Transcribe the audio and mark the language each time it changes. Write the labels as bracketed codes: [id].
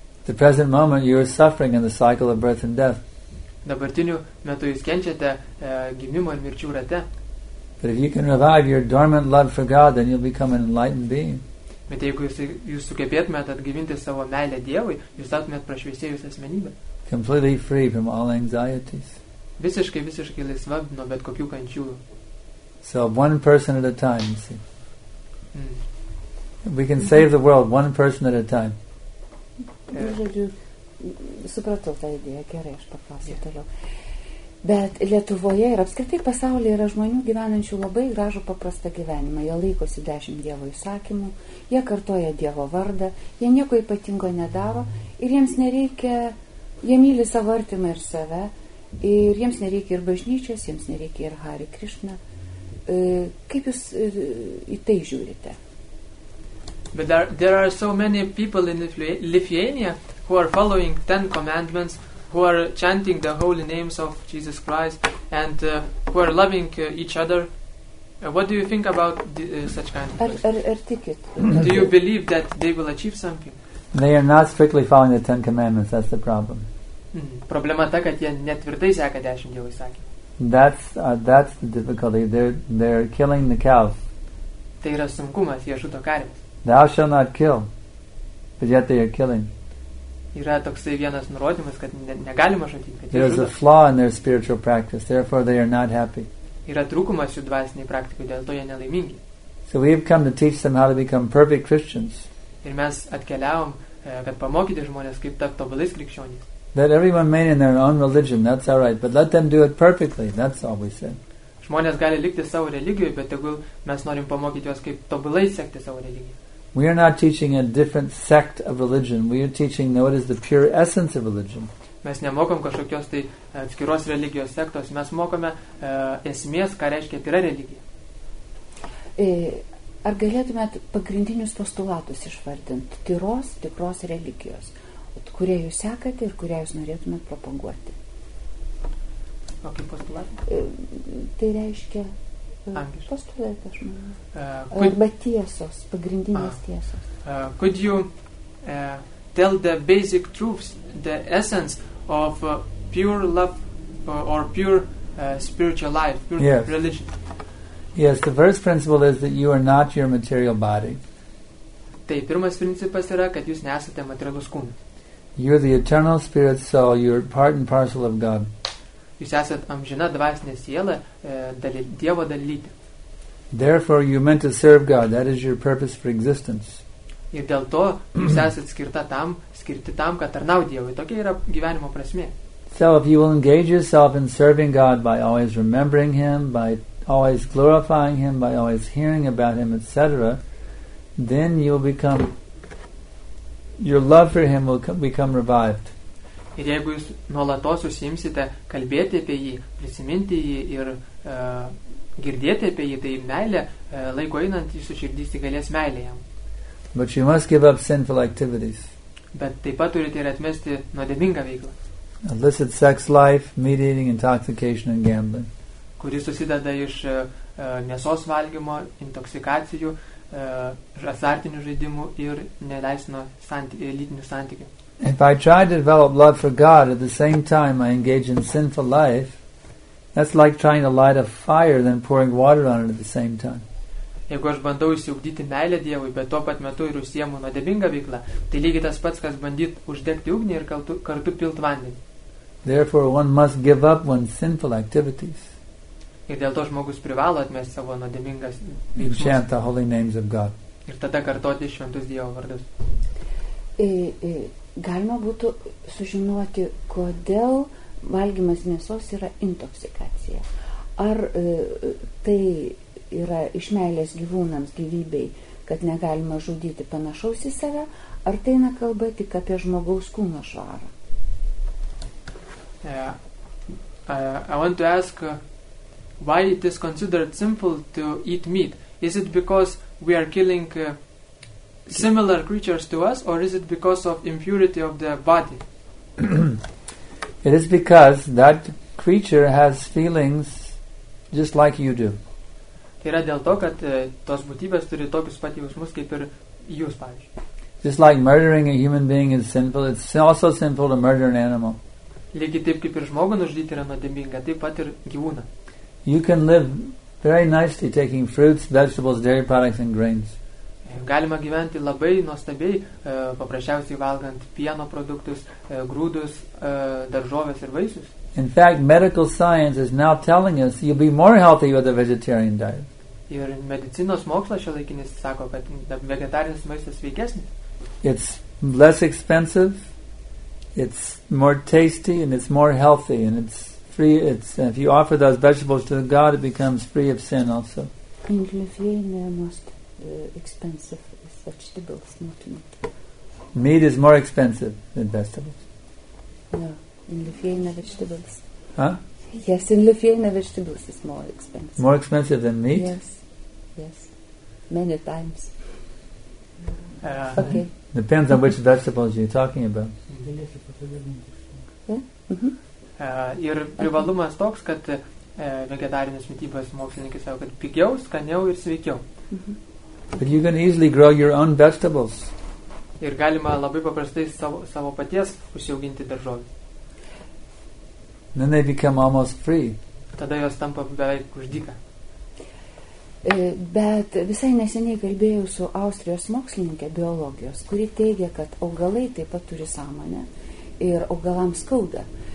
[en] The present moment you are suffering in the cycle of birth and death. [lt] Dabartiniu metu jūs kenčiate gimimo ir mirčių rate. [en] But if you can revive your dormant love for God, then you'll become an enlightened being. [lt] Bet jeigu jūs sugebėtumėt atgyvinti savo meilę Dievui, jūs taptumėt prašviesėjus asmenybę. [en] Completely free from all anxieties. [lt] Visiškai, visiškai laisva nuo bet kokių kančių. [en] So one person at a time, you see. We can save the world one person at a time. [lt] Supratau tą idėją, gerai, aš paklausiu toliau. Bet Lietuvoje ir apskritai pasaulyje yra žmonių gyvenančių labai gražų paprastą gyvenimą. Jie laikosi 10 dievo įsakymų, jie kartoja dievo vardą, jie nieko ypatingo nedaro ir jiems nereikia, jie myli savo artimą ir save ir jiems nereikia ir bažnyčios, jiems nereikia ir Hare Krishna. Kaip jūs į tai žiūrite? [en] But there are so many people in Lithuania who are following 10 commandments, who are chanting the holy names of Jesus Christ, and who are loving each other. What do you think about such kind of person? [lt] Ar tikit? [en] Do you believe that they will achieve something? They are not strictly following the 10 commandments, that's the problem. [lt] Problema ta, kad jie netvirtai seka 10 dievo įsakymų. [en] That's the difficulty. They're killing the cows. [lt] Tai yra sunkumas, jie žudo karves. [en] Thou shall not kill, but yet they are killing. [lt] Yra toksai vienas nurodymas, kad negalima žudyti, kad [en] There's a flaw in their spiritual practice, therefore they are not happy. [lt] Yra trūkumas jų dvasiniai praktikai, dėl to jie nelaimingi. [en] So we've come to teach them how to become perfect Christians. [lt] Ir mes atkeliavom, kad pamokyti žmonės, kaip tapti tobulais krikščionys. [en] That everyone may in their own religion, that's all right, but let them do it perfectly, that's all we said. [lt] Žmonės gali likti savo religijoje, bet jeigu mes norim pamokyti juos, kaip tobulai sekti savo religiją. [en] We are not teaching a different sect of religion. We are teaching what is the pure essence of religion. [lt] Mes nemokom kažkokios tai atskiros religijos sektos. Mes mokome esmės, ką reiškia tikra religija. Ar galėtumėt pagrindinius postulatus išvardinti? Tyros, tikros religijos. Kurie jūs sekate ir kurie jūs norėtumėt propaguoti? O kaip postulatai? Tai reiškia postulatai, aš manau. Arba tiesos, pagrindinės tiesos. [en] Could you tell the basic truths, the essence of pure love or pure spiritual life, pure religion? Yes, the first principle is that you are not your material body. [lt] Tai pirmas principas yra, kad jūs nesate materialus kūnas. [en] You're the eternal spirit soul, you're part and parcel of God. [lt] Jūs esat amžina dvasinė siela, Dievo dalytė. [en] Therefore you meant to serve God, that is your purpose for existence. [lt] Ir dėl to jūs esat skirti tam, kad tarnau Dievui, tokia yra gyvenimo prasmė. [en] So if you will engage yourself in serving God by always remembering him, by always glorifying him, by always hearing about him, etc., then you'll become your love for him will become revived. [lt] Ir jeigu jūs nuolatos užsiimsite kalbėti apie jį, prisiminti jį ir girdėti apie jį, tai meilė, laiko einant, jūsų širdys įgalės meilė jam. [en] But you must give up sinful activities. [lt] Bet taip pat turite ir atmesti nuodėmingą veiklą. [en] Illicit sex life, meat eating, intoxication and gambling. [lt] Kuris susideda iš mėsos valgymo, intoksikacijų, azartinių žaidimų ir neleisino lytinių santykių. [en] If I try to develop love for God at the same time I engage in sinful life, that's like trying to light a fire then pouring water on it at the same time. [lt] Jeigu aš bandau išsiugdyti meilę Dievui, bet tuo pat metu ir užsiemu nuodėmingą veiklą, tai lygiai tas pats, kas bandyt uždegti ugnį ir kartu pilt vandenį. [en] Therefore one must give up one's sinful activities. [lt] Ir dėl to žmogus privalo atmesti savo nuodėmingas veiksmus. [en] Chant the holy names of God. [lt] Ir tada kartoti šventus Dievo vardus. Galima būtų sužinoti, kodėl valgymas mėsos yra intoksikacija. Ar tai yra iš meilės gyvūnams gyvybei, kad negalima žudyti panašaus į save, ar tai eina kalba tik apie žmogaus kūno švarą? [en] I want to ask why it is considered simple to eat meat. Is it because we are killing similar creatures to us, or is it because of impurity of the body? It is because that creature has feelings just like you do. [lt] Tai yra dėl to, kad tos būtybės turi tokius pat jausmus kaip ir jūs, pavyzdžiui. [en] Just like murdering a human being is sinful, it's also sinful to murder an animal. [lt] Lygiai taip kaip ir žmogų nužudyti yra nuodėminga, taip pat ir gyvūną. [en] You can live very nicely taking fruits, vegetables, dairy products and grains. [lt] Galima gyventi labai nuostabiai, paprasčiausiai valgant pieno produktus, grūdus, daržoves ir vaisius. [en] In fact, medical science is now telling us you'll be more healthy with a vegetarian diet. [lt] Ir medicinos mokslas šiuolaikinis sako, kad vegetarinis maistas sveikesnis. [en] It's less expensive, it's more tasty and it's more healthy and it's free, it's if you offer those vegetables to God, it becomes free of sin also. In Lithuania, most expensive is vegetables, not meat. Meat is more expensive than vegetables. No, in Lithuania, vegetables. Huh? Yes, in Lithuania, vegetables is more expensive. More expensive than meat? Yes, yes. Many times. Okay. Depends on which vegetables you're talking about. [lt] Ir privalumas toks, kad vegetarinės mitybos mokslininkai sako, kad pigiau, skaniau ir sveikiau. [en] But you can easily grow your own vegetables. [lt] Ir galima labai paprastai savo paties užsiauginti daržovį. [en] Then they become almost free. [lt] tada jos tampa beveik uždyka. Bet visai neseniai kalbėjau su Austrijos mokslininke biologijos, kuri teigia, kad augalai taip pat turi sąmonę ir augalams skauda.